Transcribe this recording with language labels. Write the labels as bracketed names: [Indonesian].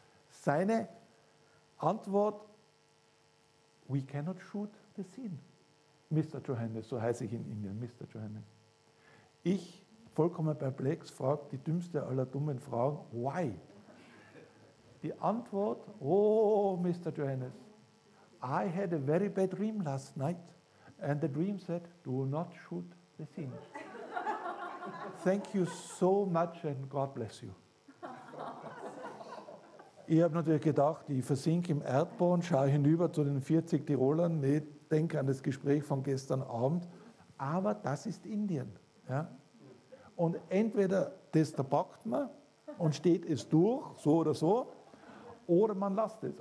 [German] Seine Antwort, [English] we cannot shoot the scene. Mr. [German] Johannes, so heiße ich in Indien, Mr. Johannes. Ich, vollkommen perplex, frage die dümmste aller dummen Fragen, [English] why? [German] Die Antwort, oh, Mr. [English] Johannes, I had a very bad dream last night and the dream said, do not shoot the scene. Thank you so much and God bless you. [German] Ich habe natürlich gedacht, ich versinke im Erdboden, schaue hinüber zu den 40 Tirolern, denke an das Gespräch von gestern Abend. aber das ist Indien. Ja? Und entweder das verpackt man und steht es durch, so oder so, oder man lasst es.